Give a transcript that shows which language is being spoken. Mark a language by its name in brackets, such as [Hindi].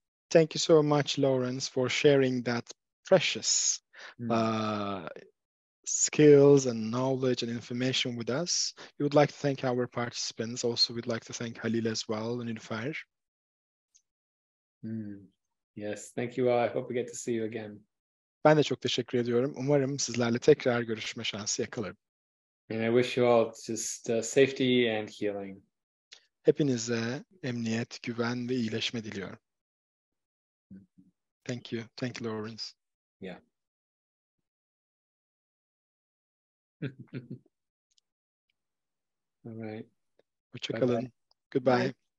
[English] Thank you so much Lawrence for sharing that precious skills and knowledge and information with us. We would like to thank our participants. Also we'd like to thank Halil as well and Nilüfer. Yes, thank you all. I hope we get to see you again. [Turkish] Ben de çok teşekkür ediyorum. Umarım sizlerle tekrar görüşme şansı yakalarım. [English] And I wish you all just safety and healing. [Turkish] Hepinize emniyet, güven ve iyileşme diliyorum. [English] Thank you. Thank you, Lawrence. Yeah. All right. [Turkish] Hoşça kalın. [English] Goodbye.